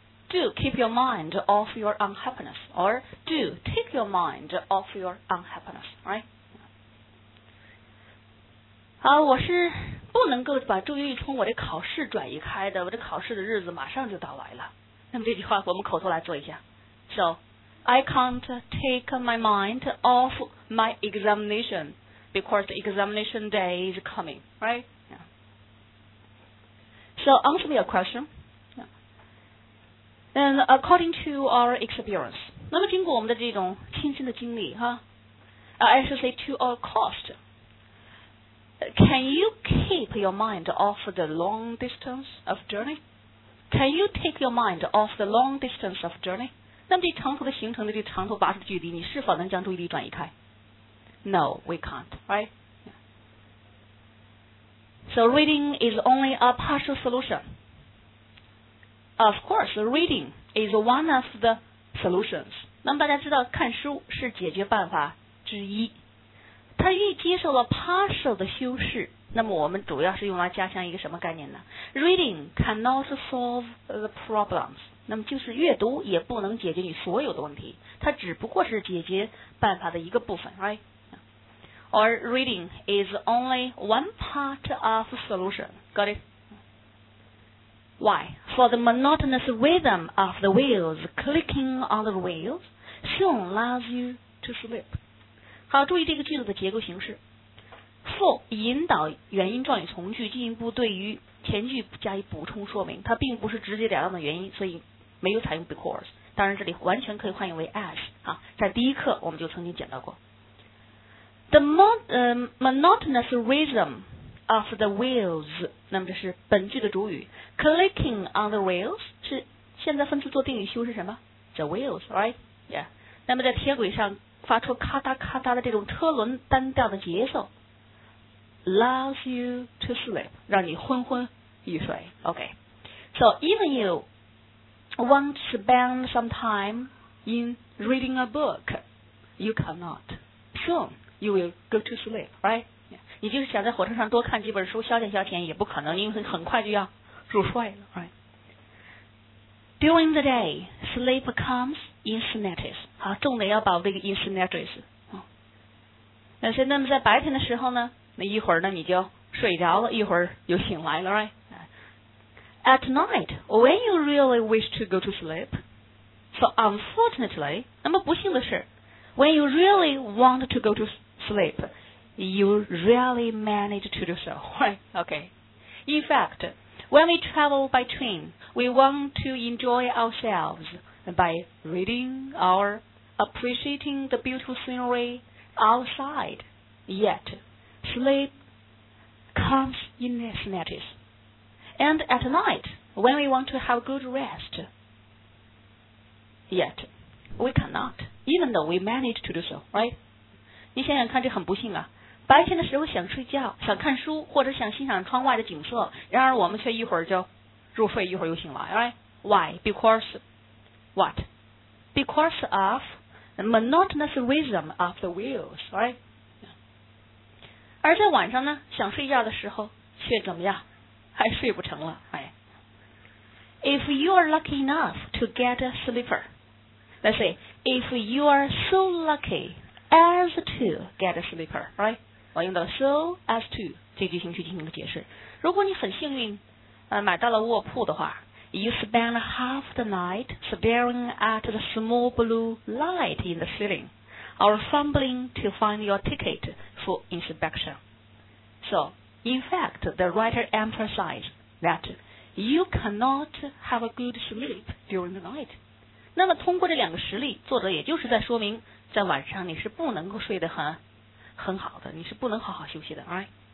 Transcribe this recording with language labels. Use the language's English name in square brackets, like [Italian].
[English] Do keep your mind off your unhappiness, or do take your mind off your unhappiness, right? [Chinese] 好，我是不能够把注意力从我的考试转移开的，我的考试的日子马上就到来了。那么这句话我们口头来做一下。 [English] So, I can't take my mind off my examination because the examination day is coming, right? So answer me a question. Yeah. And according to our experience, [Chinese] 那么经过我们的这种亲身的经历哈、 [English] I should say to our cost, can you keep your mind off the long distance of journey? Can you take your mind off the long distance of journey? [Chinese] 那么这长途的行程的这长途跋涉的距离，你是否能将注意力转移开 [English] ？No, we can't. Right? So reading is only a partial solution. Of course, reading is one of the solutions. [Chinese] 那么大家知道看书是解决办法之一。它预接受了 partial 的修饰，那么我们主要是用来加强一个什么概念呢？ [English] Reading cannot solve the problems. [Chinese] 那么就是阅读也不能解决你所有的问题，它只不过是解决办法的一个部分， right? [English] Or reading is only one part of the solution. Got it? Why? For the monotonous rhythm of the wheels clicking on the wheels soon allows you to sleep. [Chinese] 好，注意这个句子的结构形式。For 引导原因状语从句，进一步对于前句加以补充说明，它并不是直截了当的原因，所以没有采用 because。当然，这里完全可以换译为 as。啊，在第一课我们就曾经讲到过。 [English] The monotonous rhythm of the wheels, [Chinese] 那么这是本句的主语。 [English] Clicking on the wheels [Chinese] 是现在分词做定语修饰什么？ [English] The wheels, right? Yeah. [Chinese] 那么在铁轨上发出咔嗒咔嗒的这种车轮单调的节奏 [English] allows you to sleep, [Chinese] 让你昏昏欲睡。OK. [English] So even you want to spend some time in reading a book, you cannot. Soon. You will go to sleep, right? Yeah. [Chinese] 你就是想在火车上多看几本书消遣消遣也不可能，因为很快就要入睡了， right? [English] During the day, sleep comes in snatches. [Chinese] 好，重点要把握这个 in snatches、哦。那现在在白天的时候呢，那一会儿呢你就睡着了，一会儿又醒来了， right? [English] At night, when you really wish to go to sleep, so unfortunately, [Chinese] 那么不幸的是。 [English] When you really want to go to sleep, you rarely manage to do so, right? Okay. In fact, when we travel by train, we want to enjoy ourselves by reading or appreciating the beautiful scenery outside. Yet, sleep comes in snatches. And at night, when we want to have good rest, yet, we cannot. Even though we manage to do so, right? [Chinese] 你想想看，这很不幸啊！白天的时候想睡觉、想看书或者想欣赏窗外的景色，然而我们却一会儿就入睡，一会儿又醒来， right? [English] Why? Because what? Because of the monotonous rhythm of the wheels, right? [Chinese] 而在晚上呢，想睡觉的时候却怎么样？还睡不成了，哎。 [English] If you are lucky enough to get a sleeper. Let's say, if you are so lucky as to get a sleeper, right? [Chinese] 我用到 so as to 这句型去进行个解释。如果你很幸运、买到了卧铺的话 [English] you spend half the night staring at the small blue light in the ceiling or fumbling to find your ticket for inspection. So, in fact, the writer emphasized that you cannot have a good sleep during the night. [Chinese] 那么通过这两个实例，作者也就是在说明，在晚上你是不能够睡得很好的，你是不能好好休息的 ，right？